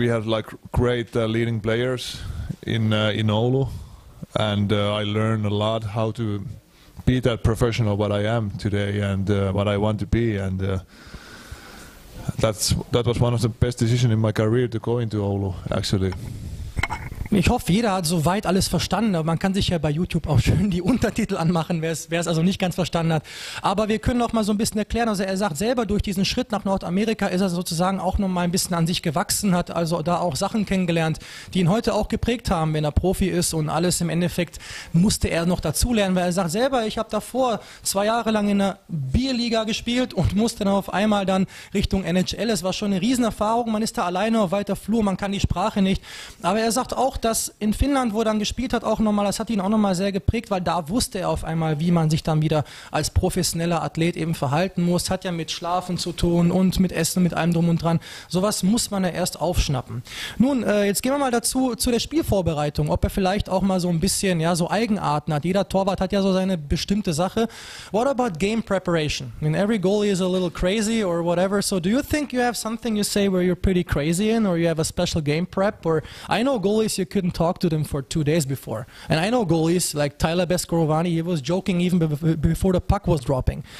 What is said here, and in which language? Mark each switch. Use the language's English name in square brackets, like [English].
[English] We had like great leading players in Oulu, and I learned a lot how to be that professional what I am today and what I want to be. And That was one of the best decisions in my career to go into Oulu, actually. [German] Ich hoffe, jeder hat soweit alles verstanden. Aber man kann sich ja bei YouTube auch schön die Untertitel anmachen, wer es also nicht ganz verstanden hat. Aber wir können noch mal so ein bisschen erklären. Also er sagt selber, durch diesen Schritt nach Nordamerika ist er sozusagen auch noch mal ein bisschen an sich gewachsen, hat also da auch Sachen kennengelernt, die ihn heute auch geprägt haben, wenn er Profi ist. Und alles im Endeffekt musste er noch dazulernen. Weil er sagt selber, ich habe davor 2 Jahre lang in der Bierliga gespielt und musste dann auf einmal dann Richtung NHL. Es war schon eine Riesenerfahrung. Man ist da alleine auf weiter Flur, man kann die Sprache nicht. Aber er sagt auch, das in Finnland, wo er dann gespielt hat, auch nochmal, das hat ihn auch nochmal sehr geprägt, weil da wusste er auf einmal, wie man sich dann wieder als professioneller Athlet eben verhalten muss. Hat ja mit Schlafen zu tun und mit Essen, mit allem drum und dran. Sowas muss man ja erst aufschnappen. Nun, jetzt gehen wir mal dazu, zu der Spielvorbereitung, ob er vielleicht auch mal so ein bisschen, ja, so Eigenarten hat. Jeder Torwart hat ja so seine bestimmte Sache. [English] What about game preparation? I mean, every goalie is a little crazy or whatever, so do you think you have something you say where you're pretty crazy in or you have a special game prep? Or I know goalies, you couldn't talk to them for 2 days before. And I know goalies like Tyler Beskorovani, he was joking even before the puck was dropping.